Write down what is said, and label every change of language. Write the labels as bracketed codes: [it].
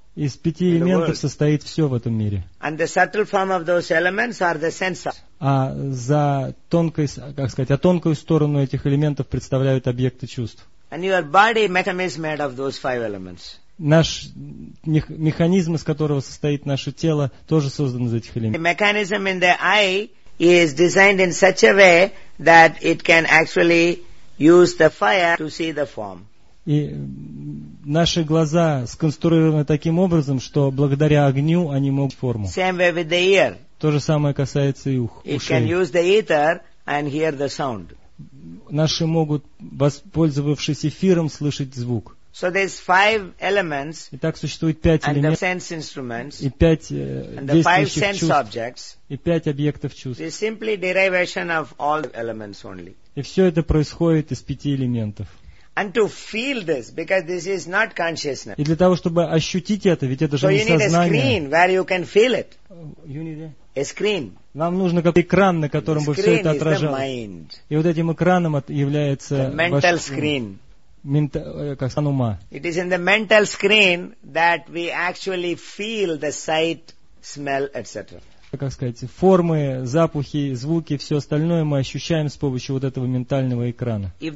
[ru] Из пяти элементов состоит все в этом мире. [en] And the subtle form of those elements are the senses. [ru] А за тонкой, как сказать, а тонкую сторону этих элементов представляют объекты чувств. [en] And your body mechanism is made of those five elements. [ru] Наш механизм, из которого состоит наше тело, тоже создан из этих элементов. [en] The mechanism in the eye is designed in such a way that it can actually use the fire to see the form. [ru] И наши глаза сконструированы таким образом, что благодаря огню они могут форму. [en] Same way with the ear. [ru] То же самое касается и ушей. [en] It can use the ether and hear the sound. [ru] Наши могут, воспользовавшись эфиром, слышать звук. [en] So there's five elements. [ru] Итак, существует пять элементов. [en] And the sense instruments. [ru] И пять действующих чувств. [en] And the five sense objects. [ru] И пять объектов чувств. [en] It's simply derivation of all elements only. [ru] И все это происходит из пяти элементов. [en] And to feel this, because this is not consciousness. [ru] И для того, чтобы ощутить это, ведь это же [en] so [ru] не сознание. [en] So you need a screen where you can feel it. You need a screen. [ru] Нам нужно какой-то экран, на котором [en] the [ru] бы все это отражалось. [en] Screen is the mind. [ru] И вот этим экраном является [en] the mental screen. [ru] Как экран ума. [en] It is in the mental screen that we actually feel the sight, smell, etc. [ru] Как сказать, формы, запахи, звуки, все остальное мы ощущаем с помощью вот этого ментального экрана.